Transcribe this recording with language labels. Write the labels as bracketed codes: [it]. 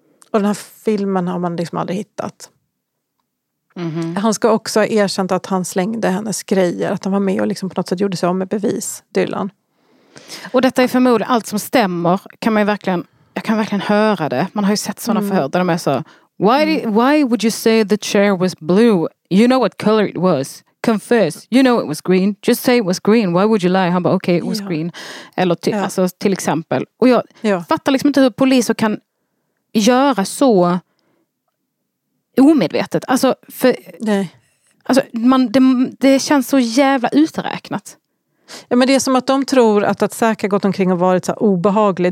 [sv] Och den här filmen har man liksom aldrig hittat. Mm-hmm. Han ska också ha erkänt att han slängde hennes grejer, att han var med och liksom på något sätt gjorde sig om med bevis, Dylan. Och detta är förmodligen allt som stämmer, kan man ju verkligen... Jag kan verkligen höra det. Man har ju sett sådana förhör där de är så... [en] Why would you say the chair was blue? You know what color it was. Confess. You know it was green. Just say it was green. Why would you lie? [sv] Han bara, [en] okay, it was green. [sv] Eller alltså, till exempel. Och jag fattar liksom inte hur poliser kan göra så omedvetet. Alltså, för... Nej. Alltså, det känns så jävla uträknat. Ja, men det är som att de tror att Zach har gått omkring och varit så obehaglig.